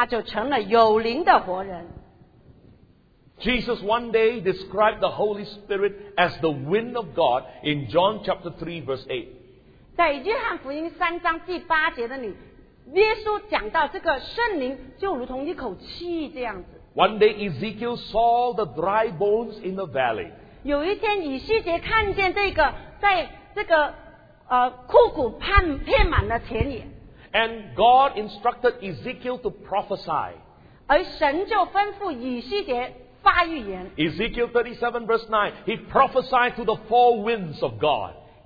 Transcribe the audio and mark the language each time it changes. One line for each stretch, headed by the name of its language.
Chinese: 耶和华神用地上的尘土造人，将生气吹在他的鼻孔里，他就成了有灵的活人。
English: Jesus one day described the Holy Spirit as the wind of God in John chapter 3 verse 8.
Chinese: 在约翰福音3章第8节的里，耶稣讲到这个圣灵就如同一口气这样子。
English: One day Ezekiel saw the dry bones in the valley.
Chinese: 有一天以西结看见这个在这个枯骨遍满了田野。
English: And God instructed Ezekiel to prophesy.
Chinese: 而神就吩咐以西结发预言。
English: Ezekiel 37 verse 9, he prophesied to the four winds of God.